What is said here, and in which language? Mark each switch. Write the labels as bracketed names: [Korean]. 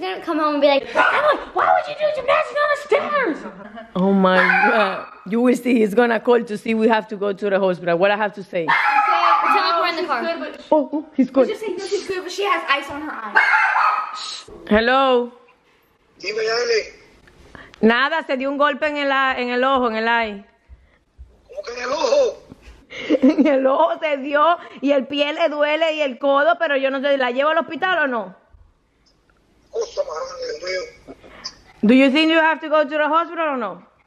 [English] He's gonna come home and be like, why would you do gymnastics on the stairs? Oh my God. You will see, he's gonna call to see we have to go to the hospital. What I have to say. Okay, tell her in the car. Good, he's good. He's just saying that she's good, but she has ice on her eye. Hello? [Spanish] Dime, dale. Nada, se dio un golpe en el ojo, en el eye. ¿Cómo que en el ojo? En el ojo se dio y el pie le duele y el codo, pero yo no sé, ¿la llevo al hospital o no? Cosa más grande, Dios mío. [English] Do you think you have to go to the hospital or no?